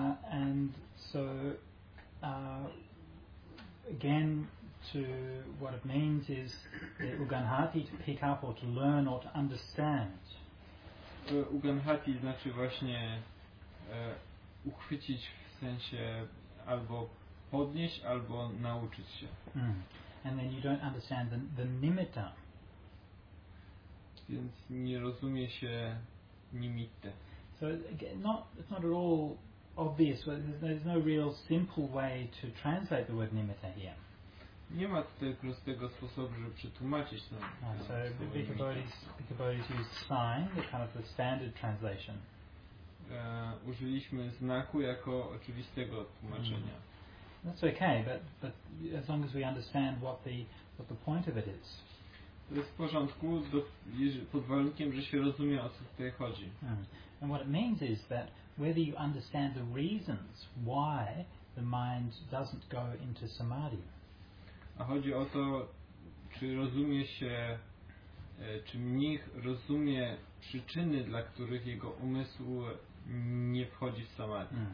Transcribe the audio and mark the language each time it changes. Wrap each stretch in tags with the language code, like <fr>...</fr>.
<en>And so again, to what it means is the uganhati, to pick up or to learn or to understand.</en> <pl>Uganhati znaczy właśnie uchwycić, w sensie albo podnieść, albo nauczyć się.</pl> <en>And then you don't understand the nimitta.</en> <pl>Więc nie rozumie się nimitte.</pl> <en>So it's not at all obvious. There's no real simple way to translate the word nimitta here.</en> <pl>Nie ma tutaj prostego sposobu, żeby przetłumaczyć ten.</pl> <en>So Bhikkhubodhi used sign, the kind of the standard translation.</en> <pl>Użyliśmy znaku jako oczywistego tłumaczenia.</pl> <en>That's okay, but as long as we understand what the point of it is.</en> <pl>To jest w porządku, pod warunkiem, że się rozumie, o co tutaj chodzi.</pl> <en>And what it means is that whether you understand the reasons why the mind doesn't go into samadhi.</en> <pl>A chodzi o to, czy rozumie się, czy mnich rozumie przyczyny, dla których jego umysł nie wchodzi w samadhi.</pl>